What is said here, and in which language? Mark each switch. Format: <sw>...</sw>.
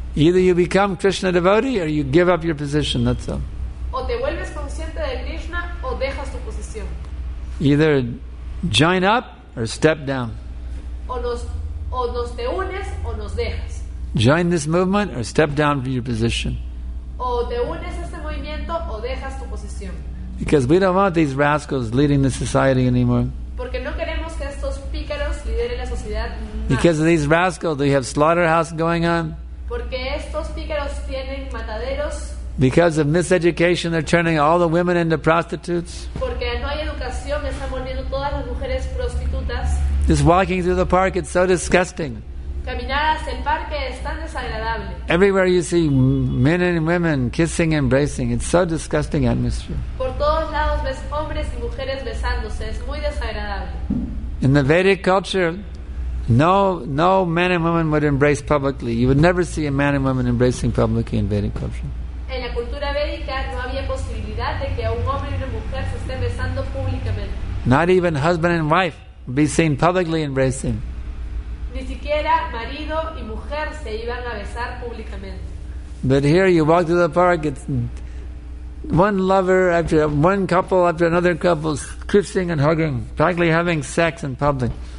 <en>either you become Krishna devotee or you give up your position, that's all.</en> <es>O te vuelves consciente de Krishna, o dejas tu posición.</es> <en>Either join up or step down.</en> <es>O nos te unes, o nos dejas.</es> <en>Join this movement or step down from your position.</en> <es>O te unes a este movimiento, o dejas tu posición.</es> <en>Because we don't want these rascals leading the society anymore.</en> <es>Porque no queremos que estos pícaros lideren la sociedad más.</es> <en>Because of these rascals, they have slaughterhouse going on.</en> <es>Porque estos pícaros tienen mataderos.</es> <en>Because of miseducation, they're turning all the women into prostitutes.</en> <es>Porque no hay educación, están volviendo todas las mujeres prostitutas.</es> <en>Just walking through the park, it's so disgusting.</en> <es>Caminar hacia el parque es tan desagradable.</es> <en>Everywhere you see men and women kissing, embracing. It's so disgusting atmosphere.</en> <es>Por todos lados ves hombres y mujeres besándose. Es muy desagradable.</es> <en>In the Vedic culture, no men and women would embrace publicly. You would never see a man and woman embracing publicly in Vedic culture.</en> <es>En la cultura védica no había posibilidad de que un hombre y una mujer se estén besando públicamente.</es> <en>Not even husband and wife would be seen publicly embracing.</en> <es>Ni siquiera marido y mujer se iban a besar públicamente.</es> <en>But here you walk through the park, it's one lover after one couple after another couple kissing and hugging, practically having sex in public.</en>